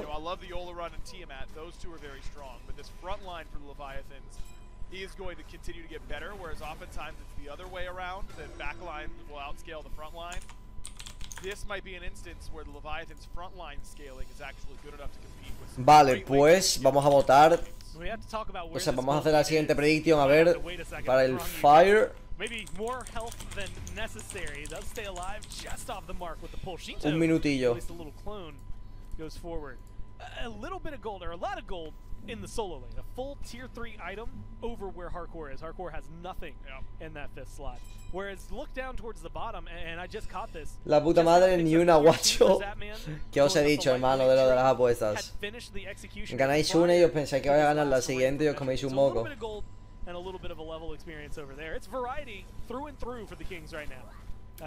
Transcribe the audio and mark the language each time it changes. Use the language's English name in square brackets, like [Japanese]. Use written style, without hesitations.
[English] You know, I love the Oleron and Tiamat. Those two are very strong. But this front line for the Leviathans is going to continue to get better, whereas oftentimes it's the other way around. The back line will outscale the front line. This might be an instance where the Leviathan's frontline scaling is actually good enough to compete with. [Spanish] Vale, pues vamos a votar. O sea, vamos a hacer la siguiente predicción, a ver, para el fire. [English] Maybe more health than necessary. They'll stay alive just off the mark with the pull. Shinto, [Spanish] un minutillo. [English] At least a little clone goes forward. A little bit of gold or a lot of gold in the solo lane. A full tier 3 item over where Hardcore is. Hardcore has nothing in that fifth slot. Whereas look down towards the bottom and I just caught this. [Spanish] La puta madre, ni una, guacho. ¿Qué os he dicho, hermano, de lo de las apuestas? Ganáis una y os pensáis que vais a ganar la siguiente y os coméis un moco. [English] And a little bit of a level experience over there. It's Variety through and through for the Kings right now.